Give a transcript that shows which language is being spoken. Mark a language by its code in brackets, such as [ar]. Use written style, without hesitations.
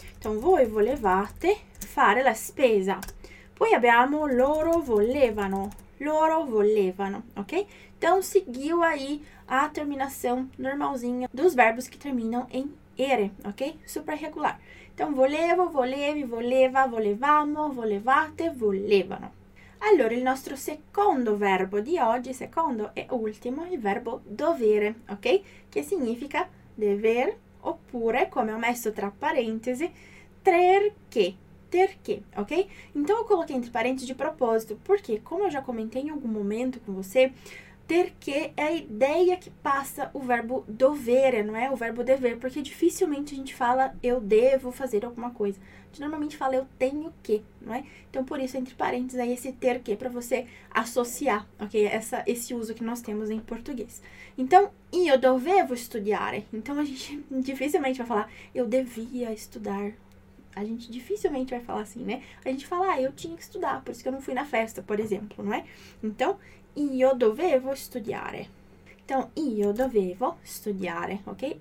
[it] Então, voi volevate fare la spesa. Poi abbiamo loro volevano. Loro volevano, ok? [pt] Então, seguiu aí a terminação normalzinha dos verbos que terminam em ere, ok? Super regular. [it] Então, volevo, volevi, voleva, volevamo, volevate, volevano. Allora, il nostro secondo verbo di oggi, secondo e ultimo, è il verbo dovere, ok? Che significa [pt] dever, [it] oppure, come ho messo tra parentesi, ter che. Perché, ok? [pt] Então, eu coloquei entre parênteses de propósito, porque, como eu já comentei em algum momento com você, ter que é a ideia que passa o verbo dovere, não é? O verbo dever, porque dificilmente a gente fala eu devo fazer alguma coisa. A gente normalmente fala eu tenho que, não é? Então, por isso, entre parênteses, aí, esse ter que para você associar, ok? Esse uso que nós temos em português. [it] Então, io dovevo studiare. [pt] Então, a gente dificilmente vai falar eu devia estudar. A gente dificilmente vai falar assim, né? A gente fala, ah, eu tinha que estudar, por isso que eu não fui na festa, por exemplo, não é? [it] Então, io dovevo studiare. Então, io dovevo studiare, ok?